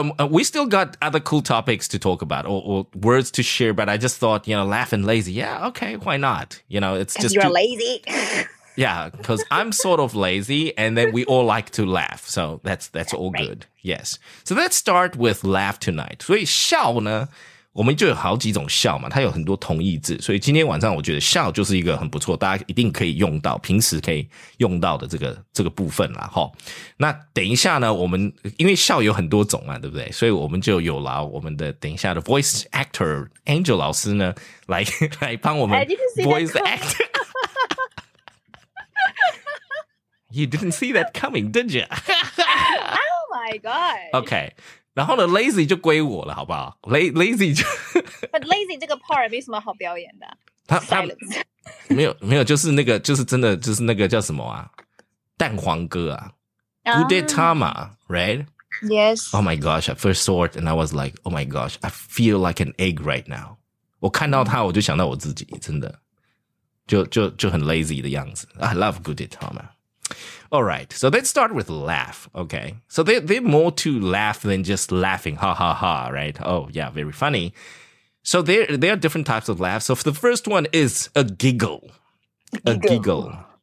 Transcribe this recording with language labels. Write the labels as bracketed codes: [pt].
[en] We still got other cool topics to talk about or words to share, but I just thought, you know, laugh and lazy. Yeah, okay, why not? You know, it's just... you're lazy. Yeah, because I'm sort of lazy, and then we all like to laugh, so that's all good. Yes. So let's start with laugh tonight. [zh] 所以笑呢，我们就有好几种笑嘛，它有很多同义字，所以今天晚上我觉得笑就是一个很不错，大家一定可以用到，平时可以用到的这个部分啦，齁。那等一下呢，我们，因为笑有很多种嘛，对不对？所以我们就有劳我们的等一下的 voice actor Angel 老师呢，来帮我们 voice actor。 [en] You didn't see that coming, did you? Oh my god. Okay. [zh] 然后呢 ,lazy 就归我了好不好 ?lazy 就。 But lazy 这个 part 没什么好表演的。他没有没有就是那个就是真的就是那个叫什么啊蛋黄哥啊。 [en] Gudetama, right? Yes. Oh my gosh, I first saw it and I was like, oh my gosh, I feel like an egg right now. [zh] 我看到他我就想到我自己真的。就很 lazy 的样子。 [en] I love Gudetama. All right, so let's start with laugh, okay? So they're more to laugh than just laughing, ha ha ha, right? Oh, yeah, very funny. So there are different types of laughs. So the first one is a giggle. A giggle.